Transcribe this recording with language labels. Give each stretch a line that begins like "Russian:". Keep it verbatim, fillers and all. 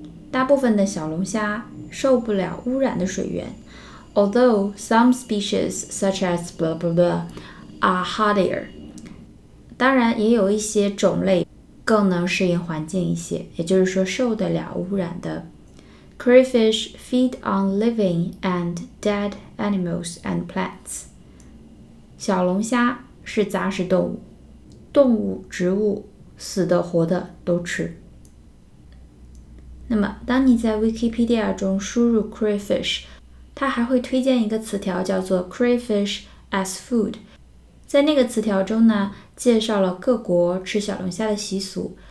Chinese: 大部分的小龙虾受不了污染的水源。
English: Although some species such as blah blah blah are hardier.
Chinese: 当然也有一些种类更能适应环境一些，也就是说受得了污染的。
English: Crayfish feed on living and dead animals and plants.
Chinese: 小龙虾是杂食动物。动物、植物，死的、活的都吃。那么，当你在 Wikipedia 中输入 crayfish， 它还会推荐一个词条叫做 crayfish as food。在那个词条中呢，介绍了各国吃小龙虾的习俗。